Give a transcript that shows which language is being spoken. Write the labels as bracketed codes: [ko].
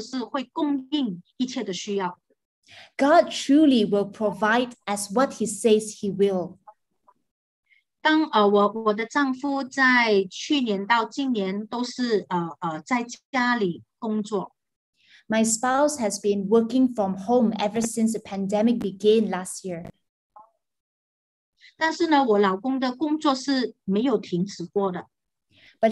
[zh] 上帝的确真正的是会供应一切的需要。 [en] God truly will provide as what He says He will. [zh] 当我的丈夫在去年到今年都是在家里工作。My [en] spouse has been working from home ever since the pandemic began last year. [zh] 但是呢，我老公的工作是没有停止过的。But